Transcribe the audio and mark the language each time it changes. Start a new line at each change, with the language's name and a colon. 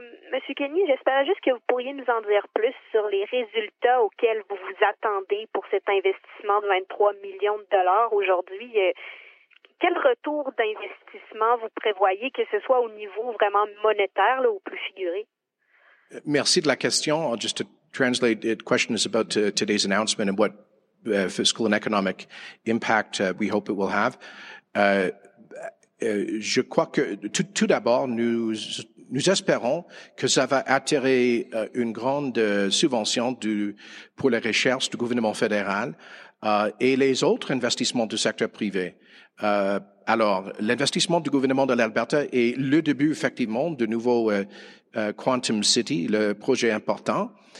French: Monsieur Kenny, j'espère juste que vous pourriez nous en dire plus sur les résultats auxquels vous vous attendez pour cet investissement de 23 millions de dollars aujourd'hui. Quel retour d'investissement vous prévoyez, que ce soit au niveau vraiment monétaire là, ou plus figuré? Merci de la question.
English: I'll just translate it. Question is about today's announcement and what fiscal and economic impact we hope it will have.
French: Je crois que tout d'abord, nous espérons que ça va attirer une grande subvention pour les recherches du gouvernement fédéral et les autres investissements du secteur privé. Alors, l'investissement du gouvernement de l'Alberta est le début, effectivement, de nouveau Quantum City, le projet important.